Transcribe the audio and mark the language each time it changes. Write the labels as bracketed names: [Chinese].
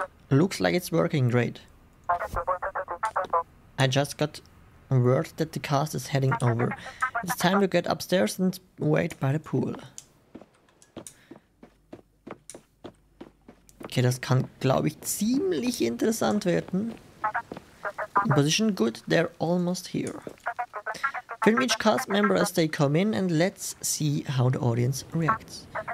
[English] Looks like it's working great. I just got word that the cast is heading over. It's time to get upstairs and wait by the pool. [German] Okay, das kann, glaube ich, ziemlich interessant werden. [English] Position good, they're almost here. Film each cast member as they come in and let's see how the audience reacts.